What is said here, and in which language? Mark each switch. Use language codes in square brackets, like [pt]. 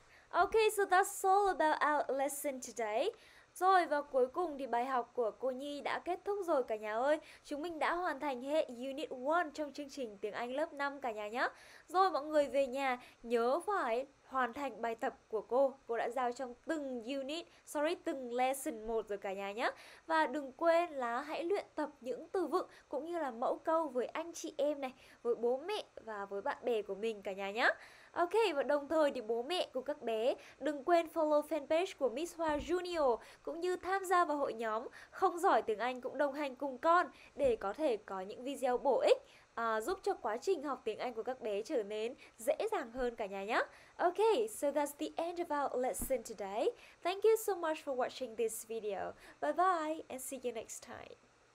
[en] Ok, so that's all about our lesson today. [vi] Rồi, và cuối cùng thì bài học của cô Nhi đã kết thúc rồi cả nhà ơi. Chúng mình đã hoàn thành hết Unit 1 trong chương trình Tiếng Anh lớp 5 cả nhà nhé. Rồi, mọi người về nhà nhớ phải hoàn thành bài tập của cô. Cô đã giao trong từng unit, sorry, từng lesson 1 rồi cả nhà nhé. Và đừng quên là hãy luyện tập những từ vựng cũng như là mẫu câu với anh chị em này, với bố mẹ và với bạn bè của mình cả nhà nhé. Ok, và đồng thời thì bố mẹ của các bé đừng quên follow fanpage của Ms Hoa Junior cũng như tham gia vào hội nhóm Không Giỏi Tiếng Anh Cũng Đồng Hành Cùng Con để có thể có những video bổ ích giúp cho quá trình học tiếng Anh của các bé trở nên dễ dàng hơn cả nhà nhé. [en] Ok, so that's the end of our lesson today. Thank you so much for watching this video. Bye bye and see you next time.